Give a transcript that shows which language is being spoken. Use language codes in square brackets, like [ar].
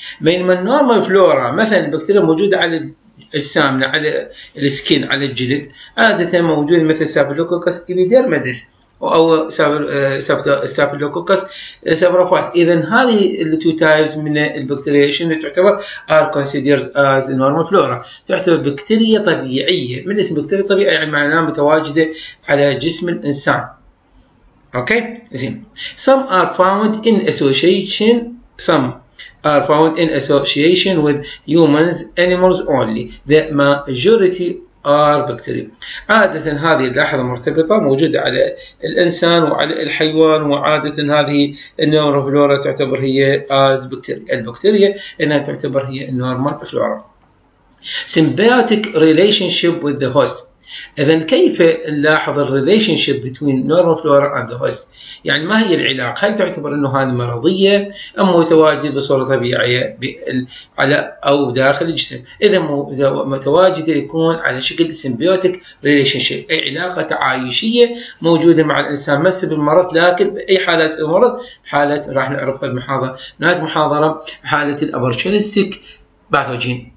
[ar] بينما النورمال فلورا مثلا البكتيريا موجودة على أجسامنا، على السكين، على الجلد، عادة موجودة مثل سافيلوكوكس إبيديرماتس أو سافيلوكوكس سافروفات. إذا هذه التو تايبس من البكتيريا شنو تعتبر؟ [en] are considers as normal flora, [ar] تعتبر بكتيريا طبيعية. من اسم بكتيريا طبيعية يعني معناها متواجدة على جسم الإنسان. Okay, زين. [en] Some are found in association. Some are found in association with humans, animals only. The majority are bacteria. [ar] عادة هذه اللحظة مرتبطة موجودة على الإنسان وعلى الحيوان، وعادة هذه النورمال فلورا تعتبر هي as bacteria. البكتيريا إنها تعتبر هي النورمال فلورا. [en] Symbiotic relationship with the host. [ar] إذا كيف نلاحظ الـ [en] relationship between normal flora and the host؟ [ar] يعني ما هي العلاقة؟ هل تعتبر أنه هذه مرضية أم متواجدة بصورة طبيعية على أو داخل الجسم؟ إذا متواجدة يكون على شكل symbiotic relationship، أي علاقة تعايشية موجودة مع الإنسان، ما سبب المرض، لكن أي حالة سبب المرض؟ حالة راح نعرفها بمحاضرة، نهاية المحاضرة، حالة الـ opportunistic باثوجين.